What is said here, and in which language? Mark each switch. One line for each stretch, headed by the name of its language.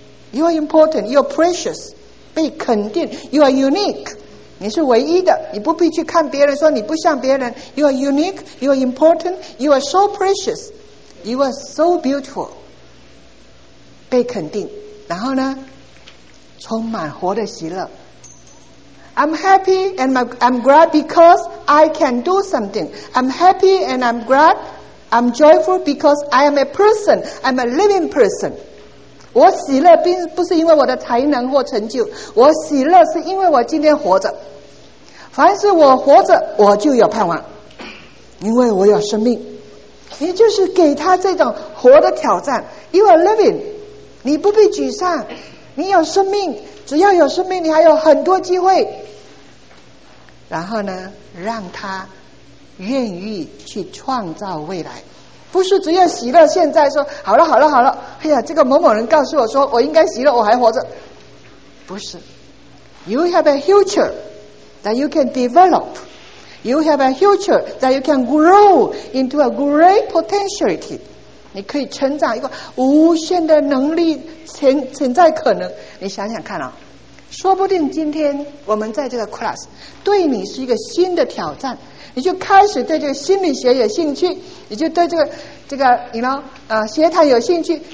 English: you are important， you are precious，
Chinese: 被肯定，
English: you are unique，
Chinese: 你是唯一的，你不必去看别人说你不像别人，
English: you are unique， you are important， you are so precious， you are so beautiful，
Chinese: 被肯定，然后呢充满活的喜乐，
English: I'm happy and I'm glad because I can do something. I'm happy and I'm glad. I'm joyful because I am a person. I'm a living person.
Chinese: 我喜乐并不是因为我的才能或成就，我喜乐是因为我今天活着。凡是我活着，我就有盼望，因为我有生命。也就是给他这种活的挑战。
English: You are living.
Chinese: 你不必沮丧，你有生命。只要有生命，你还有很多机会。然后呢，让他愿意去创造未来，不是只有喜乐。现在说好了，好了，好了，哎呀，这个某某人告诉我说我应该喜乐，我还活着。不是
English: ，You have a future that you can develop. You have a future that you can grow into a great potentiality.
Chinese: 你可以成长一个无限的能力，潜在可能。你想想看啊、哦，说不定今天我们在这个 class 对你是一个新的挑战，你就开始对这个心理学有兴趣，你就对这个你呢协谈有兴趣。